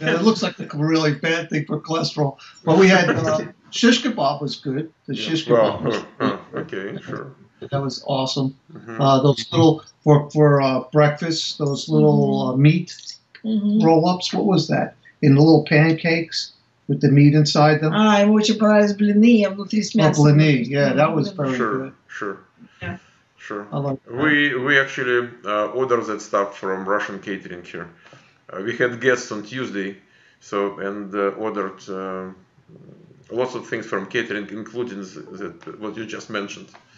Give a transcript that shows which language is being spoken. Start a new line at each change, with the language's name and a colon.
English: Yeah, it looks like a really bad thing for cholesterol. But we had shish kebab was good. That was awesome. Mm-hmm. Those little for breakfast, those little meat roll-ups. What was that? In the little pancakes with the meat inside them.
Russian: Ah, ему очень понравились блины, а внутри с мясом.
English: Блины, yeah, that was very good. Sure. We actually order that stuff from Russian catering here. We had guests on Tuesday, so and ordered lots of things from catering, including that what you just mentioned.